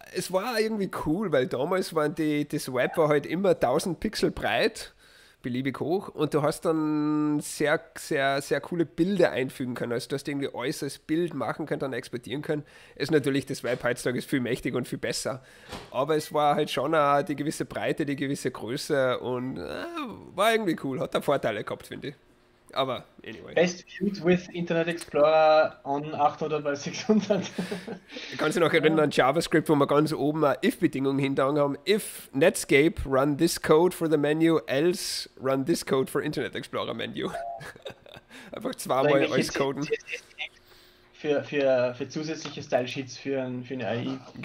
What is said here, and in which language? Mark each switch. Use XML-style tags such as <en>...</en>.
<de>es war irgendwie cool, weil damals waren das Web war halt immer 1000 Pixel breit, beliebig hoch, und du hast dann sehr, sehr, sehr coole Bilder einfügen können. Also, du hast irgendwie alles als Bild machen können, dann exportieren können. Ist natürlich, das Web heutzutage ist viel mächtiger und viel besser. Aber es war halt schon auch die gewisse Breite, die gewisse Größe und war irgendwie cool, hat da Vorteile gehabt, finde ich. Aber anyway.</de> <en>Best Shoot with Internet Explorer on 800 by 600. Kannst du noch erinnern an JavaScript, wo wir ganz oben eine If-Bedingung hintergangen haben? If Netscape run this code for the menu, else run this code for Internet Explorer menu.</en> <de>Einfach Oder zweimal irgendwelche alles coden. CSS-Tags für zusätzliche Style-Sheets für eine AI.</de>